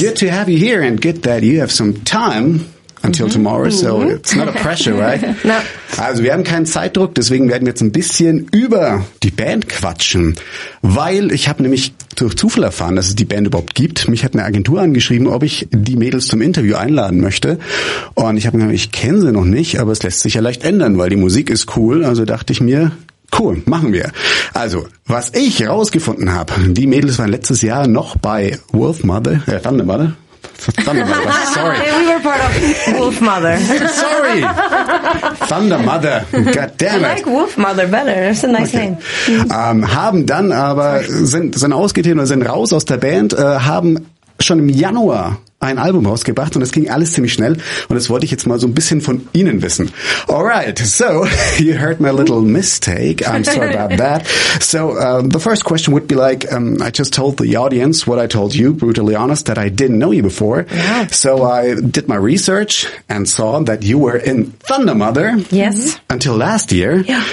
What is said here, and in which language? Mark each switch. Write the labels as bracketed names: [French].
[English] Good to have you here and good that you have some time until tomorrow, so it's not a pressure, right? No. [German] Also wir haben keinen Zeitdruck, deswegen werden wir jetzt ein bisschen über die Band quatschen, weil ich habe nämlich durch Zufall erfahren, dass es die Band überhaupt gibt. Mich hat eine Agentur angeschrieben, ob ich die Mädels zum Interview einladen möchte. Und ich habe gesagt, ich kenne sie noch nicht, aber es lässt sich ja leicht ändern, weil die Musik ist cool. Also dachte ich mir, cool, machen wir. Also, was ich rausgefunden habe, die Mädels waren letztes Jahr noch bei Thunder Mother. [English] Sorry. We were part of Wolf Mother. Sorry. Thunder Mother. God damn it. I like Wolf Mother better. It's a nice name. [German] Haben dann aber, sind ausgetreten oder sind raus aus der Band, haben schon im Januar ein Album rausgebracht und das ging alles ziemlich schnell und das wollte ich jetzt mal so ein bisschen von Ihnen wissen. [English] Alright, so you heard my little mistake. I'm sorry about that. So the first question would be like, I just told the audience what I told you, brutally honest, that I didn't know you before. Yeah. So I did my research and saw that you were in Thunder Mother. Yes. Until last year. Yeah.